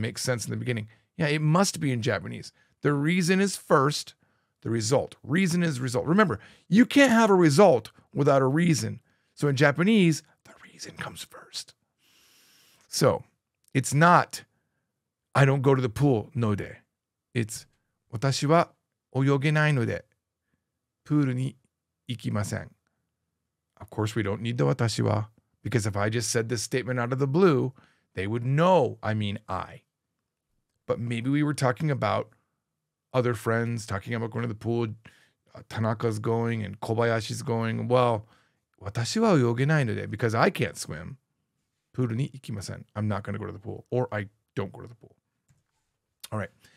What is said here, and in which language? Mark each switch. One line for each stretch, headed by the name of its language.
English: Makes sense in the beginning. Yeah, it must be in Japanese. The reason is first, the result. Reason is result. Remember, you can't have a result without a reason. So in Japanese, the reason comes first. So it's not, I don't go to the pool, no de. It's,
Japanese: 私は泳げないので、プールに行きません.
English: Of course, we don't need the 私は, because if I just said this statement out of the blue, they would know I mean I. But maybe we were talking about other friends, talking about going to the pool, Tanaka's going and Kobayashi's going. Well,
Japanese: 私は泳げないので,
English: because I can't swim.
Japanese: プールに行きません.
English: I'm not going to go to the pool. Or I don't go to the pool. All right.